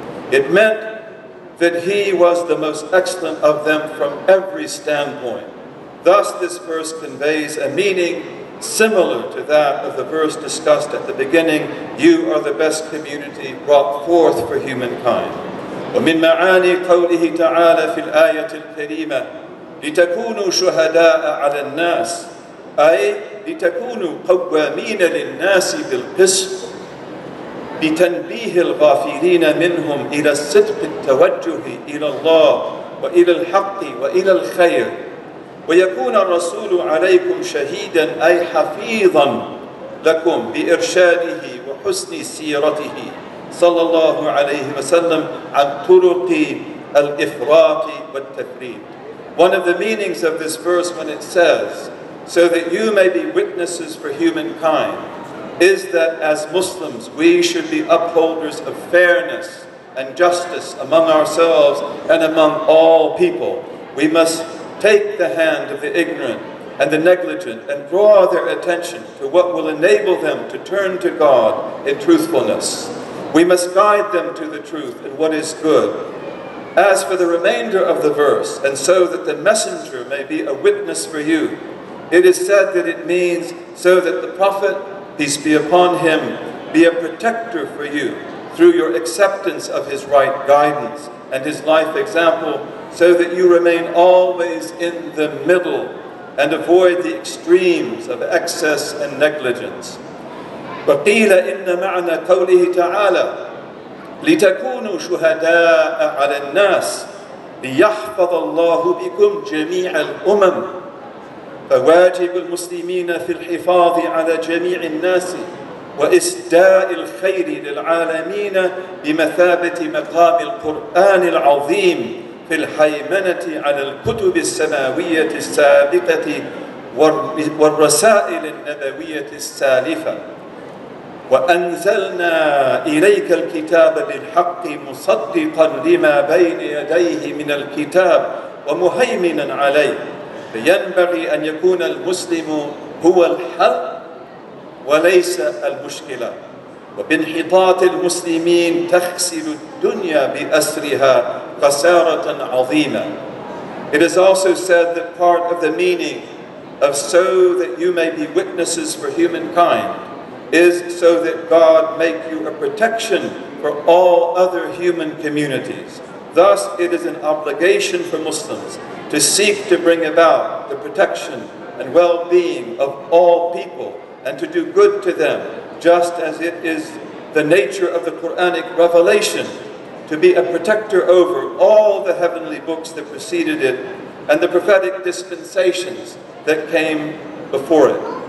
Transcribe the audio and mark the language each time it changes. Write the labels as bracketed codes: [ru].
[en] It meant that he was the most excellent of them from every standpoint. Thus, this verse conveys a meaning similar to that of the verse discussed at the beginning, you are the best community brought forth for humankind. [ar] ومن معاني قوله تعالى في الآية الكريمة لتكونوا شهداء على الناس أي لتكونوا قوامين للناس بالقسط بتنبيه الغافلين منهم إلى الصدق التوجه إلى الله وإلى الحق وإلى الخير ويكون الرسول عليكم شهيدا أي حفيظا لكم بإرشاده وحسن سيرته صلى الله عليه وسلم عن طرق الإفراط والتفريط. [en] One of the meanings of this verse when it says, so that you may be witnesses for humankind, is that as Muslims we should be upholders of fairness and justice among ourselves and among all people. We must take the hand of the ignorant and the negligent and draw their attention to what will enable them to turn to God in truthfulness. We must guide them to the truth and what is good. As for the remainder of the verse, and so that the messenger may be a witness for you, it is said that it means so that the Prophet, peace be upon him, be a protector for you through your acceptance of his right guidance and his life example, so that you remain always in the middle and avoid the extremes of excess and negligence. [ar] فقيل إن معنى قوله تعالى لتكونوا شهداء على الناس ليحفظ الله بكم جميع الأمم فواجب المسلمين في الحفاظ على جميع الناس وإسداء الخير للعالمين بمثابة مقام القرآن العظيم في الهيمنة على الكتب السماوية السابقة والرسائل النبوية السالفة وأنزلنا إليك الكتاب بالحق مصدقا لما بين يديه من الكتاب ومهيمنا عليه فينبغي أن يكون المسلم هو الحل وليس المشكلة وبانحطاط المسلمين تخسر الدنيا بأسرها خسارة عظيمة. [en] It is also said that part of the meaning of so that you may be witnesses for humankind is so that God make you a protection for all other human communities. Thus, it is an obligation for Muslims to seek to bring about the protection and well-being of all people and to do good to them, just as it is the nature of the Quranic revelation to be a protector over all the heavenly books that preceded it and the prophetic dispensations that came before it.